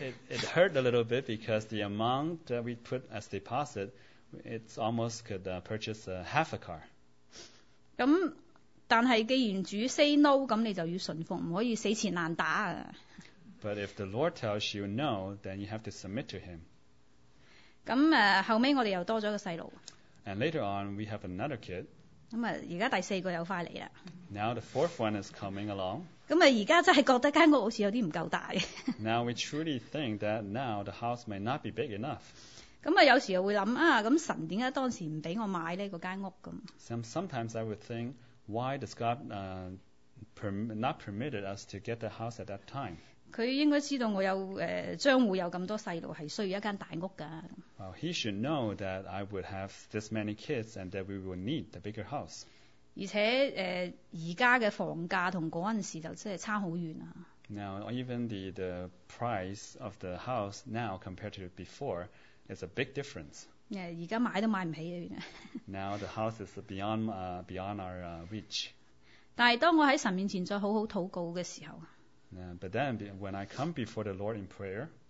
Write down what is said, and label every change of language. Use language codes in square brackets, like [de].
[en] It hurt a little bit because the amount that we put as deposit, it almost could purchase half a car. [yue] 咁但係既然主 [en] say no， [yue] 咁你就要順服，唔可以死纏爛打啊。 [en] But if the Lord tells you no, then you have to submit to Him. [yue] 咁後屘我哋又多咗個細路。 [en] And later on, we have another kid. [yue] 咁而家第四個又快嚟啦。 [en] Now the fourth one is coming along. [yue] 咁而家真係覺得間屋好似有啲唔夠大。 [en] Now we truly think that now the house may not be big enough. [yue] 咁有時又會諗啊，咁神點解當時唔俾我買呢個間屋咁 [en] ？Sometimes I would think, why does God not permitted us to get the house at that time? [yue] 佢應該知道我有將會有咁多細路係需要一間大屋㗎。 [en] Well, he should know that I would have this many kids and that we would need the bigger house. [yue] 而且而家嘅房價同嗰陣時就真係差好遠啊。 [en] Now, even the price of the house now compared to before is a big difference. [yue] 而家買都買唔起啊，原來。 [en] Now the house is beyond our reach. [yue] 但係當我喺神面前再好好禱告嘅時候。 [en] But then, when I come before the Lord in prayer,